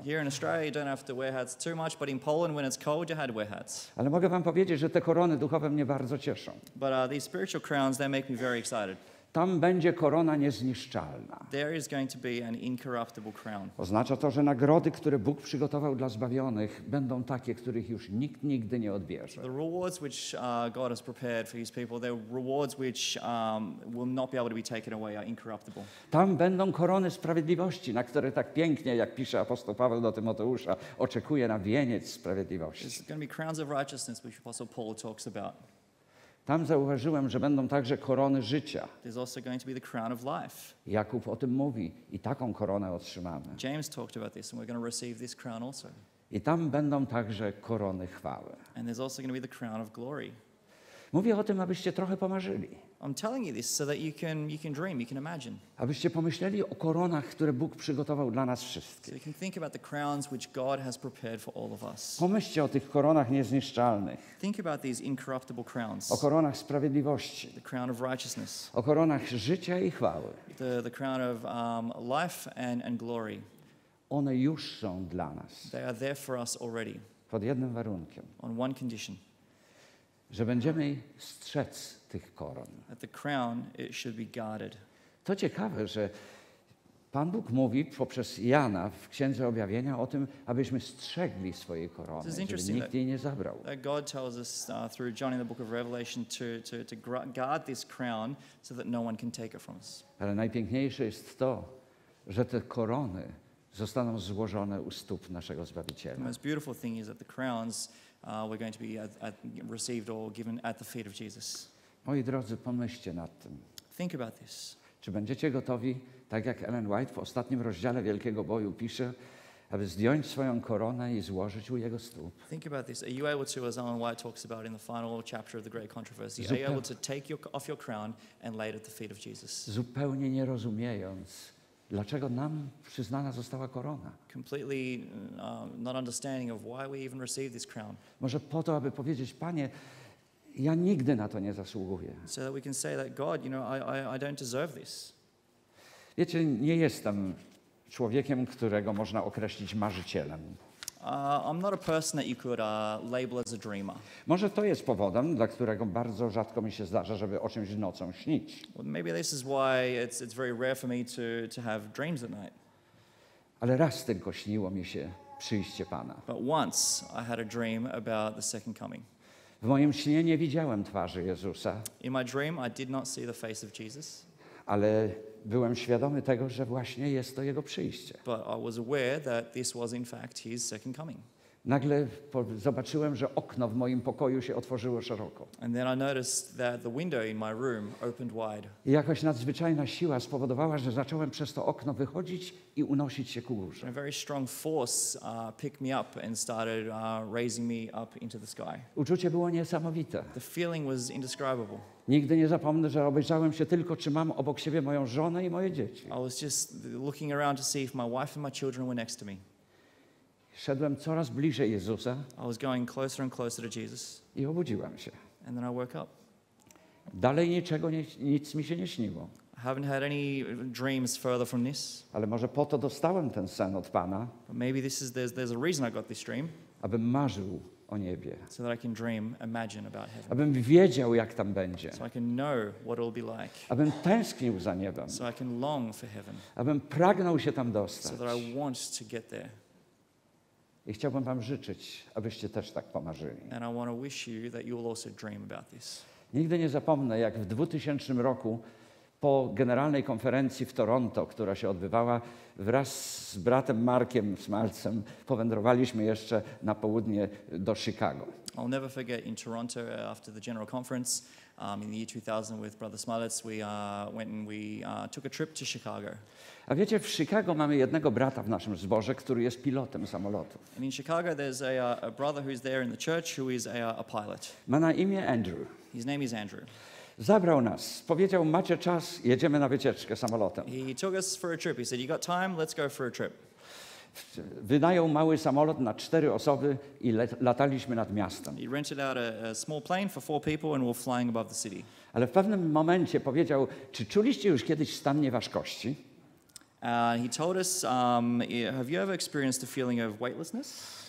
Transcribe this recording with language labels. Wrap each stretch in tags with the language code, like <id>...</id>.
<en>Here in Australia you don't have to wear hats too much, but in Poland when it's cold you had to wear hats.</en> <pl>Ale mogę wam powiedzieć, że te korony duchowe mnie bardzo cieszą.</pl> <en>But these spiritual crowns, they make me very excited.</en> <pl>Tam będzie korona niezniszczalna.</pl> <en>There is going to be an incorruptible crown.</en> <pl>Oznacza to, że nagrody, które Bóg przygotował dla zbawionych, będą takie, których już nikt nigdy nie odbierze.</pl> <en>The rewards which God has prepared for his people, the rewards which will not be able to be taken away are incorruptible.</en> <pl>Tam będą korony sprawiedliwości, na które tak pięknie, jak pisze apostoł Paweł do Tymoteusza, oczekuje na wieniec sprawiedliwości.</pl> <en>There's going to be crowns of righteousness which apostle Paul talks about.</en> <pl>Tam zauważyłem, że będą także korony życia.</pl> <en>There's also going to be the crown of life.</en> <pl>Jakub o tym mówi i taką koronę otrzymamy.</pl> <en>James talked about this and we're going to receive this crown also.</en> <pl>I tam będą także korony chwały.</pl> <en>And there's also going to be the crown of glory.</en> <pl>Mówię o tym, abyście trochę pomarzyli.</pl> <en>I'm telling you this so that you can dream, you can imagine.</en> <pl>Abyście pomyśleli o koronach, które Bóg przygotował dla nas wszystkich.</pl> <en>So you can think about the crowns which God has prepared for all of us.</en> <pl>Pomyślcie o tych koronach niezniszczalnych.</pl> <en>Think about these incorruptible crowns.</en> <pl>O koronach sprawiedliwości.</pl> <en>The crown of righteousness.</en> <pl>O koronach życia i chwały.</pl> <en>The crown of life and glory.</en> <pl>One już są dla nas.</pl> <en>They are there for us already.</en> <pl>Pod jednym warunkiem.</pl> <en>On one condition.</en> <pl>Że będziemy strzec tych koron.</pl> <en>At the crown, it should be guarded.</en> <pl>To ciekawe, że Pan Bóg mówi poprzez Jana w Księdze Objawienia o tym, abyśmy strzegli swojej korony, żeby nikt jej nie zabrał.</pl> <en>That God tells us through John in the book of Revelation to guard this crown so that no one can take it from us.</en> <pl>Ale najpiękniejsze jest to, że te korony zostaną złożone u stóp naszego Zbawiciela.</pl> <en>The most beautiful thing is that the crowns we're going to be received or given at the feet of Jesus.</en> <pl>Moi drodzy, pomyślcie nad tym.</pl> <en>Think about this.</en> <pl>Czy będziecie gotowi, tak jak Ellen White w ostatnim rozdziale Wielkiego Boju pisze, aby zdjąć swoją koronę i złożyć u jego stóp.</pl> <en>Think about this. Are you able to, as Ellen White talks about in the final chapter of the Great Controversy, are you able to take off your crown and lay it at the feet of Jesus?</en> <pl>Zupełnie nie rozumiejąc, dlaczego nam przyznana została korona?</pl> <en>Completely not understanding of why we even received this crown.</en> <pl>Może po to, aby powiedzieć, Panie, ja nigdy na to nie zasługuję.</pl> <en>So that we can say that God, you know, I don't deserve this.</en> <pl>Wiecie, nie jestem człowiekiem, którego można określić marzycielem.</pl> <en>I'm not a person that you could label as a dreamer.</en> <pl>Może to jest powodem, dla którego bardzo rzadko mi się zdarza, żeby o czymś nocą śnić.</pl> <en>Well, maybe this is why it's very rare for me to have dreams at night.</en> <pl>Ale raz tylko śniło mi się przyjście Pana.</pl> <en>But once I had a dream about the second coming.</en> <pl>W moim śnie nie widziałem twarzy Jezusa.</pl> <en>In my dream I did not see the face of Jesus.</en> <pl>Ale byłem świadomy tego, że właśnie jest to jego przyjście.</pl> <en>But I was aware that this was in fact his second coming.</en> <pl>Nagle zobaczyłem, że okno w moim pokoju się otworzyło szeroko.</pl> <en>And then I noticed that the window in my room opened wide.</en> <pl>I jakaś nadzwyczajna siła spowodowała, że zacząłem przez to okno wychodzić i unosić się ku górze.</pl> <en>A very strong force picked me up and started raising me up into the sky.</en> <pl>Uczucie było niesamowite.</pl> <en>The feeling was indescribable.</en> <pl>Nigdy nie zapomnę, że obejrzałem się tylko, czy mam obok siebie moją żonę i moje dzieci.</pl> <en>I was just looking around to see if my wife and my children were next to me.</en> <pl>Szedłem coraz bliżej Jezusa.</pl> <en>I was going closer and closer to Jesus.</en> <pl>I obudziłem się.</pl> <en>And then I woke up.</en> <pl>Dalej niczego, nic mi się nie śniło.</pl> <en>I haven't had any dreams further from this.</en> <pl>Ale może po to dostałem ten sen od Pana.</pl> <en>But maybe this is there's a reason I got this dream.</en> <pl>Abym marzył o niebie.</pl> <en>So that I can dream, imagine about heaven.</en> <pl>Abym wiedział, jak tam będzie.</pl> <en>So I can know what it'll be like.</en> <pl>Abym tęsknił za niebem.</pl> <en>So I can long for heaven.</en> <pl>Abym pragnął się tam dostać.</pl> <en>So that I want to get there.</en> <pl>I chciałbym wam życzyć, abyście też tak pomarzyli.</pl> <en>And I want to wish you that you will also dream about this.</en> <pl>Nigdy nie zapomnę, jak w 2000 roku po generalnej konferencji w Toronto, która się odbywała, wraz z bratem Markiem Smalcem powędrowaliśmy jeszcze na południe do Chicago.</pl> <en>I'll never forget in Toronto after the general conference in the year 2000 with brother Smalec, we took a trip to Chicago.</en> <pl>A wiecie, w Chicago mamy jednego brata w naszym zborze, który jest pilotem samolotu.</pl> <en>And in Chicago there's a brother who's there in the church who is a pilot.</en> <pl>Ma na imię Andrew.</pl> <en>His name is Andrew.</en> <pl>Zabrał nas. Powiedział, macie czas, jedziemy na wycieczkę samolotem.</pl> <en>He took us for a trip. He said, you got time, let's go for a trip.</en> <pl>Wynajął mały samolot na 4 osoby i lataliśmy nad miastem.</pl> <en>He rented out a small plane for 4 people and we're flying above the city.</en> <pl>Ale w pewnym momencie powiedział, czy czuliście już kiedyś stan nieważkości?</pl> <en>He told us, have you ever experienced a feeling of weightlessness?</en>